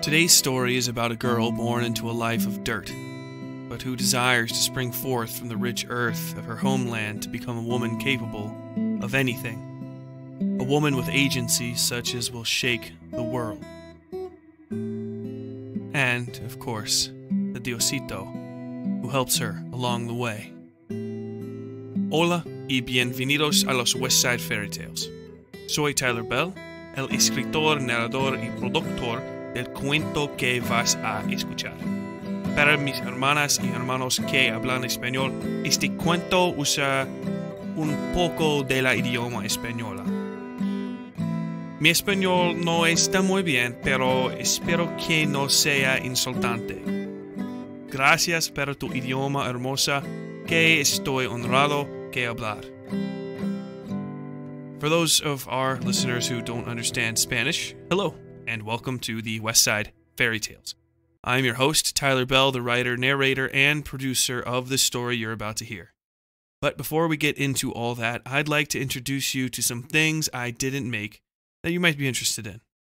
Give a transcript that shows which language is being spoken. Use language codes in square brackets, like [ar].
[en] Today's story is about a girl born into a life of dirt, but who desires to spring forth from the rich earth of her homeland to become a woman capable of anything. A woman with agency such as will shake the world. And, of course, the Diosito, who helps her along the way. [es] Hola y bienvenidos a los Westside Fairytales. Soy Tyler Bell, el escritor, narrador y productor del cuento que vas a escuchar. Para mis hermanas y hermanos que hablan español, este cuento usa un poco de la idioma española. Mi español no está muy bien, pero espero que no sea insultante. Gracias por tu idioma hermosa, que estoy honrado que hablar. [en] For those of our listeners who don't understand Spanish, hello, and welcome to the Westside Fairytales. I'm your host, Tyler Bell, the writer, narrator, and producer of the story you're about to hear. But before we get into all that, I'd like to introduce you to some things I didn't make that you might be interested in.